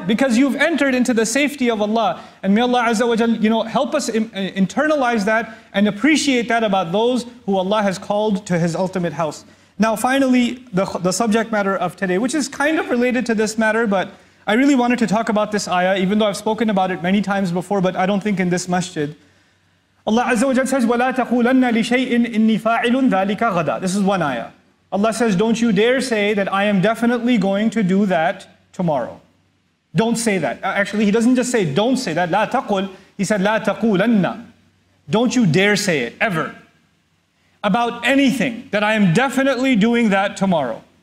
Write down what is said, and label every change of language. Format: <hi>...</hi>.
<en>Because you've entered into the safety of Allah. And may Allah Azza wa Jal, you know, help us internalize that and appreciate that about those who Allah has called to His ultimate house. Now finally, the subject matter of today, which is kind of related to this matter, but I really wanted to talk about this ayah, even though I've spoken about it many times before, but I don't think in this masjid. Allah Azza wa Jal says,</en> <ar>وَلَا تَقُولَنَّ لِشَيْءٍ إِنِّي فَاعِلٌ ذَلِكَ غَدًا.</ar> <en>This is one ayah. Allah says, don't you dare say that I am definitely going to do that tomorrow. Don't say that. Actually, He doesn't just say, don't say that.</en> <ar>لا تقول.</ar> <en>He said,</en> <ar>لا تَقُولَنَّ.</ar> <en>Don't you dare say it, ever. About anything, that I am definitely doing that tomorrow.</en>